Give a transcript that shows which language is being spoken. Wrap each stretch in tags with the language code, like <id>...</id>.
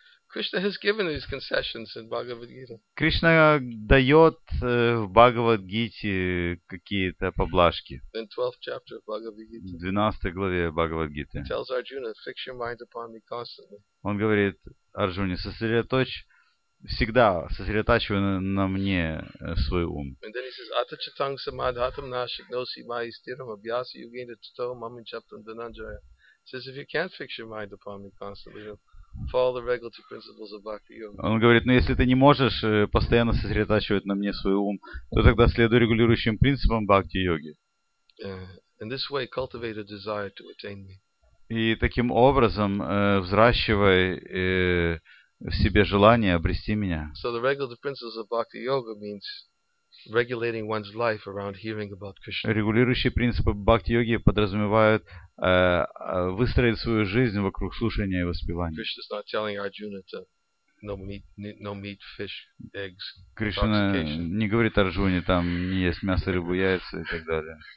<en>Krishna has given these concessions in Bhagavad Gita.</en> <ru>Кришна дает в Бхагавад Гите какие-то поблажки.</ru> <en>In 12th chapter of Bhagavad Gita.</en> <ru>В 12 главе Бхагавад Гиты.</ru> <en>He tells Arjuna, fix your mind upon me constantly.</en> <ru>Он говорит Арджуне, всегда сосредотачивай на мне свой ум.</ru> <en>And then he says,</en> <sa>Atachatang samadhatam nashiknosi maistiram abhyasi yugena tato mamichaptam dhananjaya.</sa> <en>Says, if you can't fix your mind upon me constantly, follow the regulative principles of bhakti yoga.</en> <ru>Он говорит, если ты не можешь постоянно сосредотачивать на мне свой ум, то тогда следуй регулирующим принципам бхакти йоги.</ru> <en>In this way, cultivate a desire to attain me.</en> <ru>И таким образом взращивай в себе желание обрести меня.</ru> <en>So the regulative principles of bhakti yoga means regulating one's life around hearing about Krishna.</en> <ru>Регулирующие принципы бхакти-йоги подразумевают выстроить свою жизнь вокруг слушания и воспевания.</ru> <en>Krishna's not telling Arjuna to no meat, fish, eggs.</en> <ru>Кришна не говорит Арджуне там не есть мясо, рыбу, яйца и так далее.</ru>